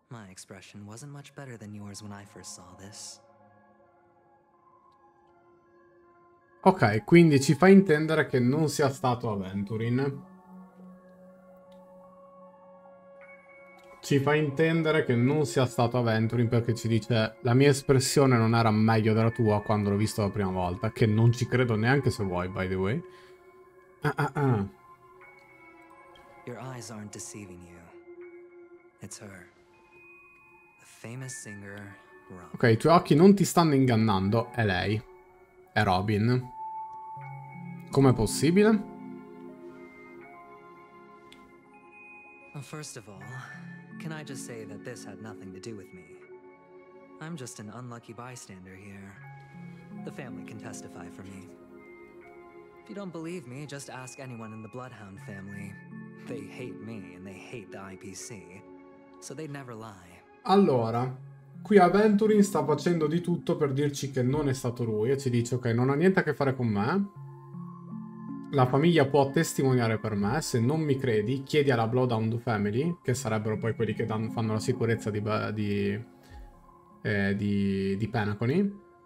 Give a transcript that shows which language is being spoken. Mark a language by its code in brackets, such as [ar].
[en] Expression wasn't much better than yours when I first saw this. [it] Ok, quindi ci fa intendere che non sia stato Aventurin. Ci fa intendere che non sia stato Aventurin perché ci dice: la mia espressione non era meglio della tua quando l'ho visto la prima volta. Che non ci credo neanche se vuoi, [en] by the way. Your eyes aren't deceiving you. It's her. [it] Ok, i tuoi occhi non ti stanno ingannando, è lei. È Robin. Com'è possibile? [en] First of all, can I just say that this had nothing to do with me? I'm just an unlucky bystander here. The family can testify for me. If you don't believe me, just ask anyone in the Bloodhound family. They hate me and they hate the IPC. So they'd never lie. [it] Allora, qui Aventurin sta facendo di tutto per dirci che non è stato lui e ci dice ok, non ha niente a che fare con me, la famiglia può testimoniare per me, se non mi credi chiedi alla Bloodhound Family, che sarebbero poi quelli che fanno la sicurezza di Penacony.